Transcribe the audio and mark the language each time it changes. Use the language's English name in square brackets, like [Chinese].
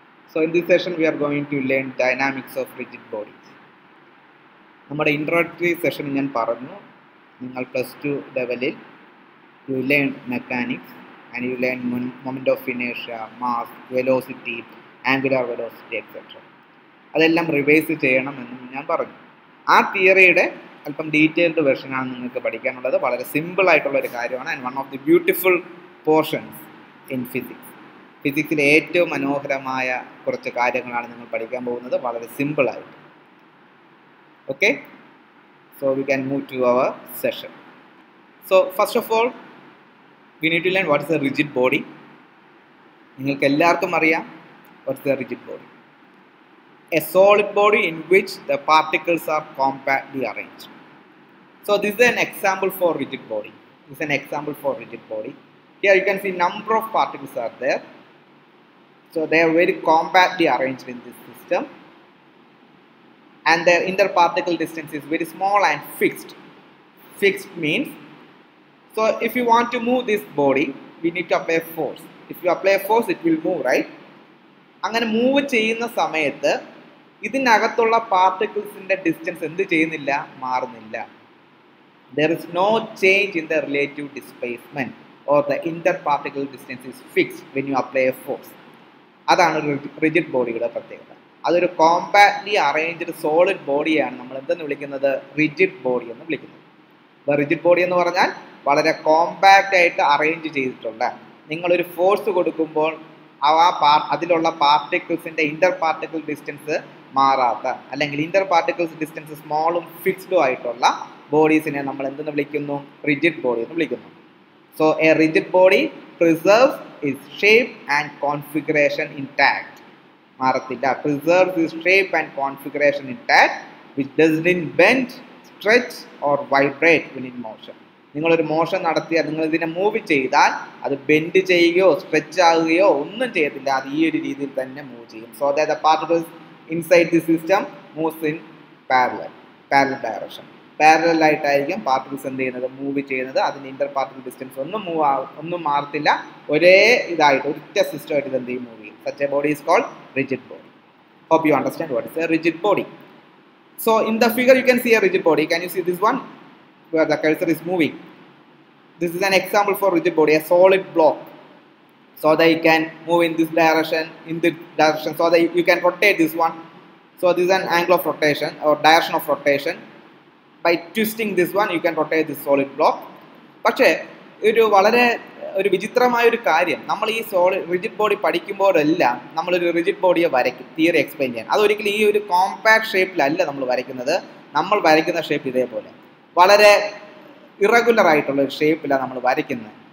[English] So in this session we are going to learn dynamics of rigid bodies. [Malayalam] നമ്മുടെ introductory session ഞാൻ പറഞ്ഞു, നിങ്ങൾ plus two ലെവലിൽ [English] You learn mechanics and you learn moment of inertia, mass, velocity, angular velocity etcetera. [Malayalam] അതെല്ലാം revise ചെയ്യണമെന്ന് ഞാൻ പറഞ്ഞു. ആ തിയറിയുടെ അല്പം ഡീറ്റെയിൽഡ് വെർഷനാണ് നിങ്ങൾക്ക് പഠിക്കാനുള്ളത്. വളരെ സിമ്പിളായിട്ടുള്ള ഒരു കാര്യമാണ് [English] And one of the beautiful portions in physics. [Malayalam] ഫിസിക്സിലെ ഏറ്റവും മനോഹരമായ കുറച്ച് കാര്യങ്ങളാണ് നിങ്ങൾ പഠിക്കാൻ പോകുന്നത്, വളരെ സിമ്പിളായിട്ട്. [English] Okay, so we can move to our session. So first of all we need to learn what is a rigid body. [Malayalam] നിങ്ങൾക്ക് എല്ലാവർക്കും അറിയാം [English] What is a rigid body. A solid body in which the particles are compactly arrange. So this is an example for rigid body. This is an example for rigid body. Here you can see number of particles are there. So they are very compactly arranged in this system. And their interparticle distance is very small and fixed. Fixed means, so if you want to move this body, we need to apply force. If you apply force, it will move, right? [Malayalam] അങ്ങനെ move ചെയ്യുന്ന സമയത്ത് ഇതിനകത്തുള്ള പാർട്ടിക്കിൾസിൻ്റെ distance എന്ത് ചെയ്യുന്നില്ല, മാറുന്നില്ല. [English] There is no change in the relative displacement. Or the interparticle distance is fixed when you apply a force. [Malayalam] അതാണ് rigid ബോഡിയുടെ പ്രത്യേകത. അതൊരു കോമ്പാക്ട്ലി അറേഞ്ച്ഡ് സോളിഡ് ബോഡിയാണ് നമ്മൾ എന്തെന്ന് വിളിക്കുന്നത്, റിജിഡ് ബോഡി എന്ന് വിളിക്കുന്നത്. അപ്പോൾ റിജിഡ് ബോഡി എന്ന് പറഞ്ഞാൽ വളരെ കോമ്പാക്റ്റ് ആയിട്ട് അറേഞ്ച് ചെയ്തിട്ടുണ്ട്. നിങ്ങളൊരു ഫോഴ്സ് കൊടുക്കുമ്പോൾ അതിലുള്ള പാർട്ടിക്കിൾസിൻ്റെ ഇൻ്റർ പാർട്ടിക്കിൾ ഡിസ്റ്റൻസ് മാറാത്ത, അല്ലെങ്കിൽ ഇൻ്റർ പാർട്ടിക്കിൾസ് ഡിസ്റ്റൻസ് സ്മോളും ഫിക്സ്ഡും ആയിട്ടുള്ള ബോഡീസിനെ നമ്മൾ എന്തെന്ന് വിളിക്കുന്നു, റിജിഡ് ബോഡി എന്ന് വിളിക്കുന്നു. [English] So a rigid body preserves its shape and configuration intact. [Malayalam] Marathilla [English] preserves its shape and configuration intact, which doesn't bend, stretch or vibrate when in motion. [Malayalam] നിങ്ങൾ ഒരു മോഷൻ നടത്തിയാൽ, നിങ്ങൾ ഇതിനെ മൂവ് ചെയ്താൽ അത് ബെൻഡ് ചെയ്യുകയോ സ്ട്രെച്ച് ആകുകയോ ഒന്നും ചെയ്യത്തില്ല. അത് ഈ ഒരു രീതിയിൽ തന്നെ മൂവ് ചെയ്യും. [English] So that the particles inside the system moves in parallel direction. [Malayalam] Parallel ആയിട്ടായിരിക്കും പാർട്ടിക്കിൾസ് എന്ത് ചെയ്യുന്നത്, മൂവ് ചെയ്യുന്നത്. അതിൻ്റെ ഇൻ്റർ പാർട്ടിക്കിൾ ഡിസ്റ്റൻസ് ഒന്നും മൂവ് ഒന്നും മാറത്തില്ല, ഒരേ ഇതായിട്ട് ഒറ്റ സിസ്റ്റം ആയിട്ട് ഇത് എന്ത് ചെയ്യും, മൂവ് ചെയ്യും. [English] Such a body is called rigid body. Hope you understand what is a rigid body. So in the figure you can see a rigid body. Can you see this one where the cursor is moving? This is an example for rigid body, a solid block. So they can move in this direction, in the direction. So they you can rotate this one. So this an angle of rotation or direction of rotation. By twisting this one, you can rotate this solid block. [Malayalam] പക്ഷെ ഒരു വളരെ ഒരു വിചിത്രമായ ഒരു കാര്യം, നമ്മൾ ഈ സോളിഡ് റിജിഡ് ബോഡി പഠിക്കുമ്പോഴെല്ലാം നമ്മളൊരു റിജിഡ് ബോഡിയെ വരയ്ക്കും, തിയറി എക്സ്പ്ലെയിൻ ചെയ്യാൻ. അതൊരിക്കലും ഈ ഒരു കോമ്പാക്ട് ഷേപ്പിലല്ല നമ്മൾ വരയ്ക്കുന്നത്. നമ്മൾ വരയ്ക്കുന്ന ഷേപ്പ് ഇതേപോലെ വളരെ ഇറഗുലർ ആയിട്ടുള്ള ഒരു ഷേപ്പിലാണ് നമ്മൾ വരയ്ക്കുന്നത്.